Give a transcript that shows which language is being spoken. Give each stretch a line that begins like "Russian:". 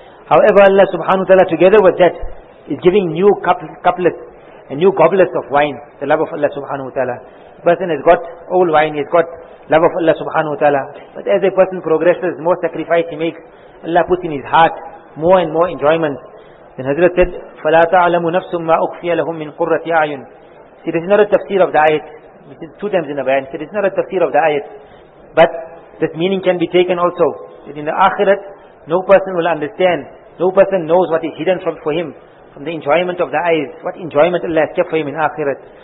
English: However, Allah subhanahu wa ta'ala, together with that, is giving new couplets and new goblets of wine, the love of Allah subhanahu wa ta'ala. Person has got old wine, he has got love of Allah subhanahu wa ta'ala. But as a person progresses, more sacrifice he makes, Allah puts in his heart more and more enjoyment. Then Hazrat said,
Arabic: فَلَا تَعْلَمُ نَفْسٌ مَّا أُخْفِيَ لَهُمْ مِنْ قُرَّةِ أَعْيُنٍ.
English: See, this is not a tafsir of the ayat. This is two times in the bayan. See, this is not a tafsir of the ayat. But this meaning can be taken also, that in the akhirat, no person will understand, no person knows what is hidden from, for him, from the enjoyment of the eyes, what enjoyment Allah has kept for him in akhirat.